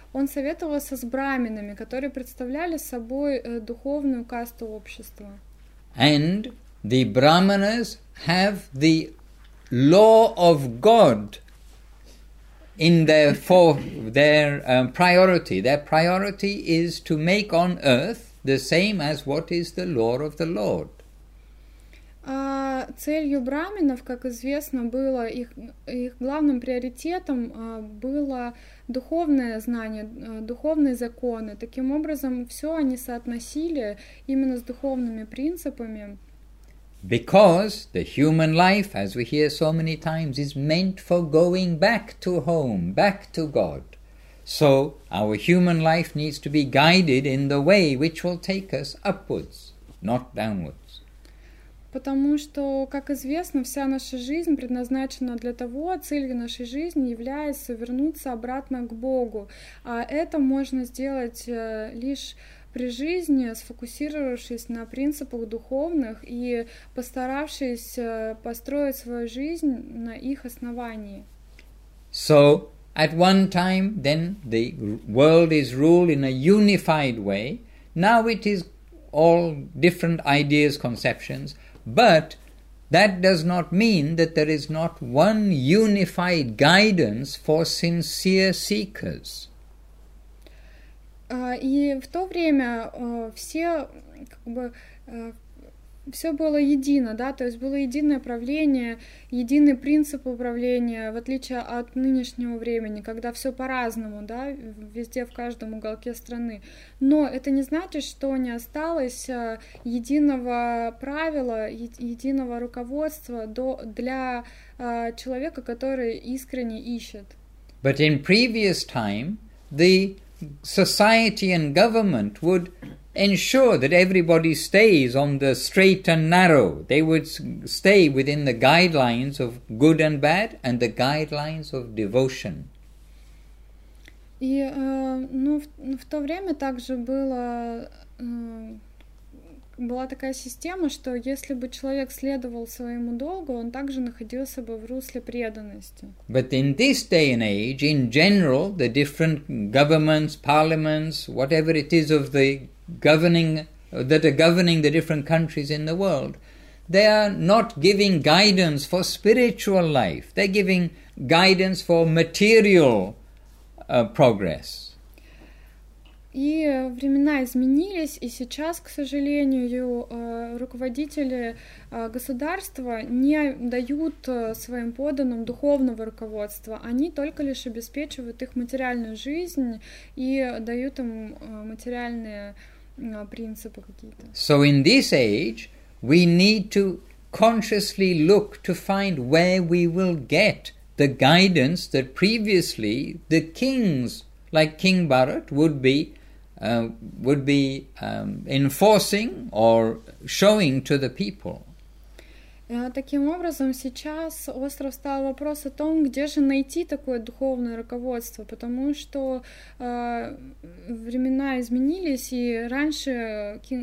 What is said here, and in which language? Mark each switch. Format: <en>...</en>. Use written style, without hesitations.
<ru>Он советовался с брахманами, которые представляли собой духовную касту общества.</ru> <en>And the brahmanas have the law of God in their priority. Their priority is to make on earth the same as what is the law of the Lord.</en> <ru>Целью брахманов, как известно, было их главным приоритетом было духовное знание, духовные законы. Таким образом, все они соотносили именно с духовными принципами.</ru> <en>Because the human life, as we hear so many times, is meant for going back to home, back to God. So our human life needs to be guided in the way which will take us upwards, not downwards.</en> <ru>Потому что, как известно, вся наша жизнь предназначена для того, целью нашей жизни является вернуться обратно к Богу. А это можно сделать лишь при жизни, сфокусировавшись на принципах духовных и постаравшись построить свою жизнь на их основании.</ru> <en>So, at one time, then, the world is ruled in a unified way. Now it is all different ideas, conceptions. But that does not mean that there is not one unified guidance for sincere seekers.</en> <ru>И в то время все как бы все было едино, да, то есть было единое правление, единый принцип управления, в отличие от нынешнего времени, когда все по-разному, да, везде, в каждом уголке страны. Но это не значит, что не осталось единого правила, единого руководства для человека, который искренне ищет.</ru> <en>But in previous time, the society and government would ensure that everybody stays on the straight and narrow. They would stay within the guidelines of good and bad and the guidelines of devotion.</en> <ru>И, ну, в то время также было, была такая система, что если бы человек следовал своему долгу, он также находился бы в русле преданности.</ru> <en>But in this day and age, in general, the different governments, parliaments, whatever it is of the governing the different countries in the world, they are not giving guidance for spiritual life, they're giving guidance for material progress.</en> <ru>И времена изменились, и сейчас, к сожалению, руководители государства не дают своим подданным духовного руководства. Они только лишь обеспечивают их материальную жизнь и дают им материальные принципы какие-то.</ru> <en>So in this age, we need to consciously look to find where we will get the guidance that previously the kings, like King Bharat, would be enforcing or showing to the people.</en> <ru>Таким образом, сейчас остро встал вопрос о том, где же найти такое духовное руководство, потому что времена изменились, и раньше</ru>